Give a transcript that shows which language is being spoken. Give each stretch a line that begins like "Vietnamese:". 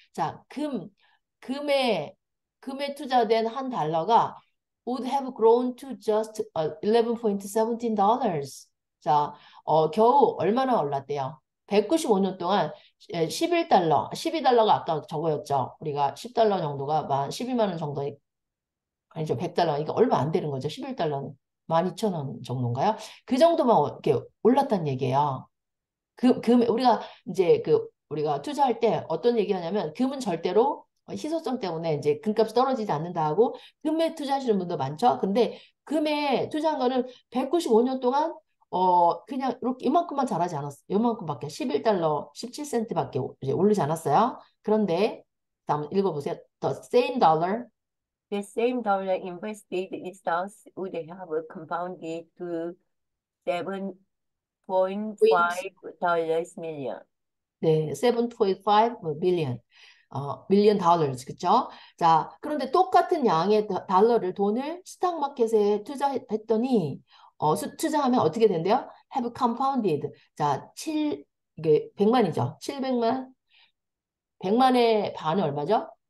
Korean: 자, 금에 투자된 한 달러가
English: would have grown to just 11.17 dollars.
Korean: 자, 겨우 얼마나 올랐대요? 195년 동안 11달러, 12달러가 아까 저거였죠. 우리가 10달러 정도가 12만 원 정도의 아니죠. 100달러. 이거 얼마 안 되는 거죠. 11달러는 12,000원 정도인가요? 그 정도만 이렇게 올랐단 얘기예요. 우리가 이제 우리가 투자할 때 어떤 얘기하냐면 금은 절대로 희소성 때문에 이제 금값이 떨어지지 않는다 하고 금에 투자하시는 분도 많죠. 근데 금에 투자한 거는 195년 동안 그냥 이렇게 이만큼만 자라지 않았어요. 이만큼밖에 11달러 17센트밖에 이제 오르지 않았어요. 그런데 다음 읽어보세요.
English: The same dollar. The same dollar invested in stocks would have compounded to 7.5 dollars million.
Korean: 네,
English: 7.5 billion. million dollars,
Korean: 그렇죠? 자, 그런데 똑같은 양의 달러를 돈을 스탁마켓에 투자했더니 투자하면 어떻게 된대요?
English: Have compounded.
Korean: 자, 이게 100만이죠. 700만. 100만의 반은 얼마죠?